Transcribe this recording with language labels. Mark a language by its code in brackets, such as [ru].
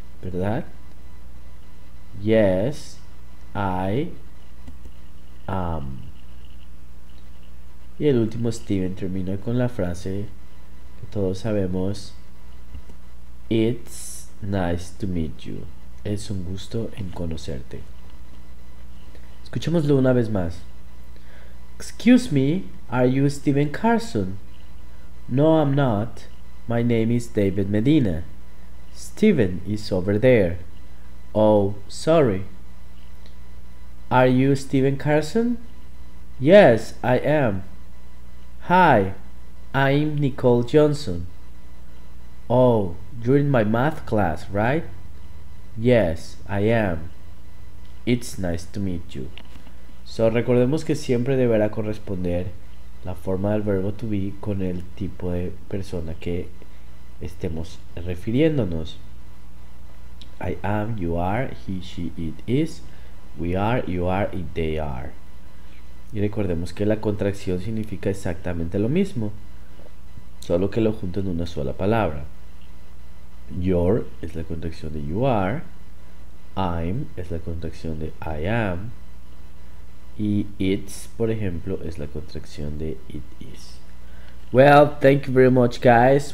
[es] ¿Verdad? [en] Yes, I am. [es] Y el último Steven termina con la frase que todos sabemos. [en] It's nice to meet you. [es] Es un gusto en conocerte. Escuchémoslo una vez más. [en] Excuse me, are you Steven Carson? No, I'm not. My name is David Medina. Steven is over there. Oh, sorry. Are you Steven Carson? Yes, I am. Hi, I'm Nicole Johnson. Oh, you're in my math class, right? Yes, I am. It's nice to meet you. [es] So, recordemos que siempre deberá corresponder la forma del verbo to be con el tipo de persona que estemos refiriéndonos. [en] I am, you are, he, she, it, is, we are, you are, it, they are. [es] Y recordemos que la contracción significa exactamente lo mismo, solo que lo junto en una sola palabra. Your es la contracción de you are, I'm es la contracción de I am, y it's, por ejemplo, es la contracción de it is. [en] Well, thank you very much, guys.